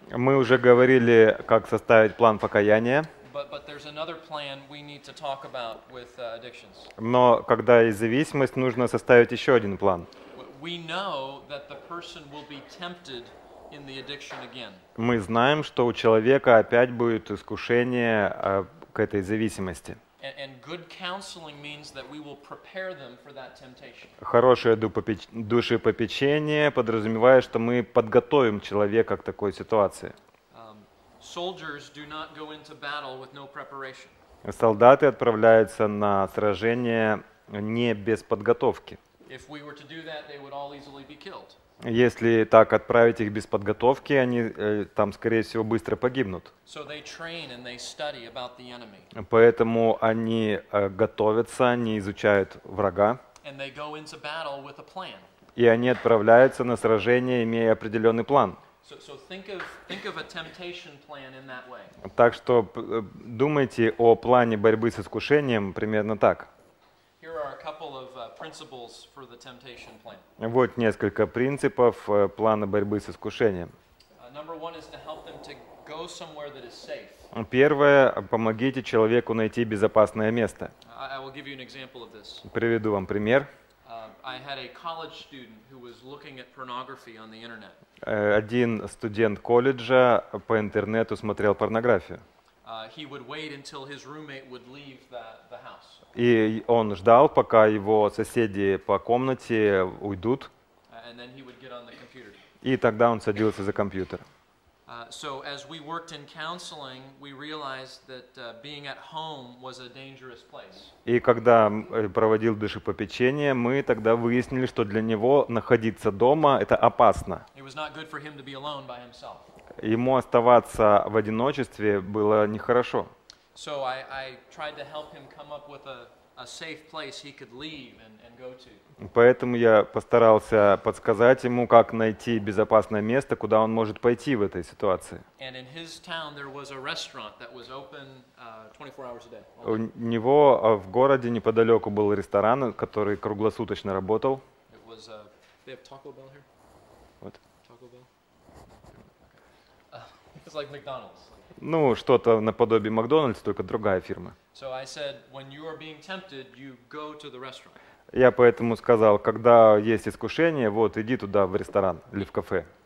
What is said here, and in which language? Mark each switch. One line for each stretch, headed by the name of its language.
Russian: Мы уже говорили, как составить план покаяния.
English: But there's another plan we need to talk about with addictions.
Russian: Но когда есть зависимость, нужно составить еще один план.
English: We know that the person will be tempted in the addiction again.
Russian: Мы знаем, что у человека опять будет искушение к этой зависимости.
English: And good counseling means that we will prepare them for that temptation.
Russian: Хорошее душепопечение подразумевает, что мы подготовим человека к такой ситуации.
English: Soldiers do not go into battle with no preparation.
Russian: Солдаты отправляются на сражение не без подготовки.
English: If we were to do that, they would all easily be killed.
Russian: Если так отправить их без подготовки, они там, скорее всего, быстро погибнут.
English: So they train and they study about the enemy.
Russian: Поэтому они готовятся, они изучают врага.
English: And they go into battle with a plan.
Russian: И они отправляются на сражение, имея определенный план.
English: So think of a temptation plan in that way.
Russian: Так что думайте о плане борьбы с искушением примерно так.
English: Here are a couple of principles for the temptation plan.
Russian: Вот несколько принципов плана борьбы с искушением.
English: Number one is to help them to go somewhere that is safe.
Russian: Первое, помогите человеку найти безопасное место.
English: I will give you an example of this.
Russian: Приведу вам пример.
English: I had a college student who was looking at pornography on the internet.
Russian: Один студент колледжа по интернету смотрел порнографию.
English: He would wait until his roommate would leave the house.
Russian: И он ждал, пока его соседи по комнате уйдут.
English: And then he would get on the computer.
Russian: И тогда он садился за компьютер.
English: So as we worked in counseling, we realized that being at home was a dangerous place.
Russian: И когда проводил душепопечение, мы тогда выяснили, что для него находиться дома — это опасно.
English: It was not good for him to be alone by himself.
Russian: Ему оставаться в одиночестве было нехорошо.
English: So I tried to help him come up with a safe place he could leave and go to.
Russian: Поэтому я постарался подсказать ему, как найти безопасное место, куда он может пойти в этой ситуации.
English: And in his town there was a restaurant that was open 24 hours a day.
Russian: У него в городе неподалеку был ресторан, который круглосуточно работал.
English: It was they have Taco Bell here. What? Taco Bell. It's like McDonald's.
Russian: Ну, что-то наподобие Макдональдс, только другая фирма.
English: So I said, when you are being tempted, you go to the restaurant.
Russian: Я поэтому сказал, когда есть искушение, вот иди туда в ресторан или в кафе.